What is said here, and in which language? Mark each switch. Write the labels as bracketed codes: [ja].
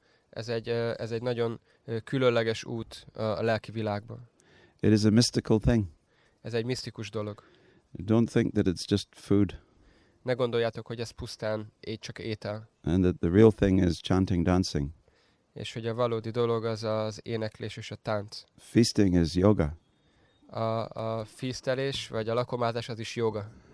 [hu] Ez egy nagyon különleges út a lelki világban. [en] It is a mystical thing. [hu] Ez egy misztikus dolog. [en] Don't think that it's just food. [hu] Ne gondoljátok, hogy ez pusztán csak étel. [en] And that the real thing is chanting, dancing. [hu] És hogy a valódi dolog az az éneklés és a tánc. [en] Feasting is yoga. [hu] A fésztelés vagy a lakomázás az is yoga.